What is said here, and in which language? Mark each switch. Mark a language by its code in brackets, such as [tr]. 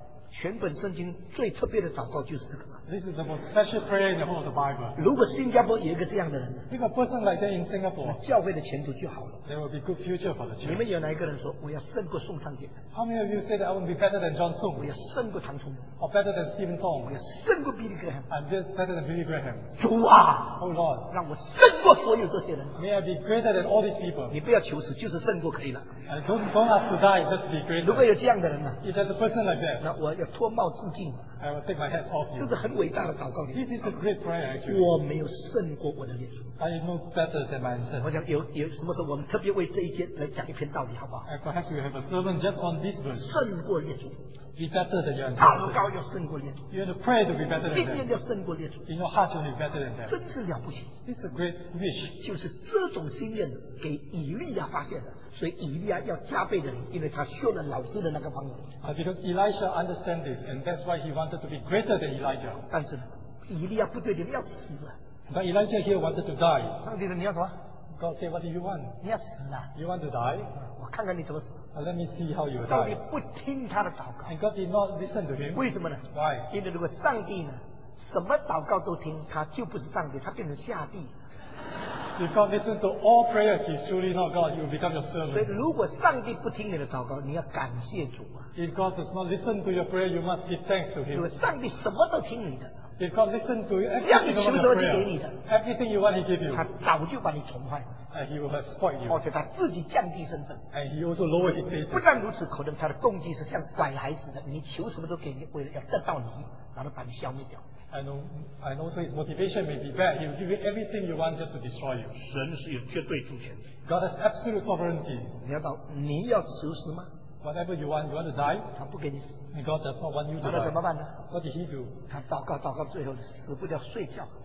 [zh] 全本圣经最特别的祷告就是这个。 [en] This is the most special prayer in the whole of the Bible. [zh] 如果新加坡有一个这样的人， [en] If a person like that in Singapore, [zh] 教会的前途就好了。 [en] There will be good future for the church. [zh] 你们有哪一个人说我要胜过宋尚杰？ [en] How many of you say that I will be better than John Song? [zh] 我要胜过唐崇 [en] 荣。Or better than Stephen Tong? [zh] 我要胜过 Billy Graham. [en] I'm better than Billy Graham. [zh] 主啊， [en] Oh Lord, [zh] 让我胜过所有这些人。 [en] May I be greater than all these people? [zh] 你不要求死，就是胜过可以了。 [en] Don't ask to die, just be greater. [zh] 如果有这样的人呢？ [en] If there's a person like that, [zh] 那我要脱帽致敬。 [en] I will take my hats off you. [zh] 这是很伟大的祷告。 [en] This is a great prayer, actually. [zh] 我没有胜过我的列祖。 [en] I am no better than my ancestors. [zh] 我想有什么时候我们特别为这一节来讲一篇道理，好不好？ [en] Perhaps we have a sermon just on this verse. [zh] 胜过列祖。 [en] Be better than your ancestors. [zh] 祷告要胜过列祖。 [en] You have to pray to be better than them. [zh] 信念要胜过列祖。 [en] In your heart, you will be better than them. [zh] 真是了不起。 [en] This is a great wish. [zh] 就是这种心愿给以利亚发现的。所以以利亚要加倍的人，因为他修了老师的那个方法。 [en] Because Elisha understands this, and that's why he wanted to be greater than Elijah. [zh] 但是以利亚不对的，要死了。 [en] But Elijah here wanted to die. [zh] 上帝的，你要什么？ [en] God said, what do you want? [zh] 你要死了。 [en] You want to die? [zh] 我看看你怎么死。 [en] Let me see how you die. [zh] 上帝不听他的祷告。 [en] And God did not listen to him. [zh] 为什么呢？ [en] Why? [zh] 因为如果上帝呢，什么祷告都听，他就不是上帝，他变成下帝。 [en] If God listens to all prayers, He's truly not God. He will become your servant. [zh] 所以，如果上帝不听你的祷告，你要感谢主啊。 [en] If God does not listen to your prayer, you must give thanks to Him. [zh] 如果上帝什么都听你的 [en] ，If God listens to everything you want, everything you want, He give you. [zh] 他早就把你宠坏了。 [en] And He will have spoiled you. [zh] 而且他自己降低身份。 [en] And He also lowered His status. [zh] 不但如此，可能他的动机是像拐孩子的，你求什么都给你，为了要得到你，然后把你消灭掉。 [en] And also his motivation may be bad. He will give you everything you want just to destroy you. [zh] 神是有绝对主权。 [en] God has absolute sovereignty. [zh] 你要死死吗？ [en] Whatever you want to die? [zh] 他不给你死。 [en] And God does not want you to die. [zh] 那怎么办呢？ [en] What did he do? [zh] 他祷告祷告最后死不掉睡觉。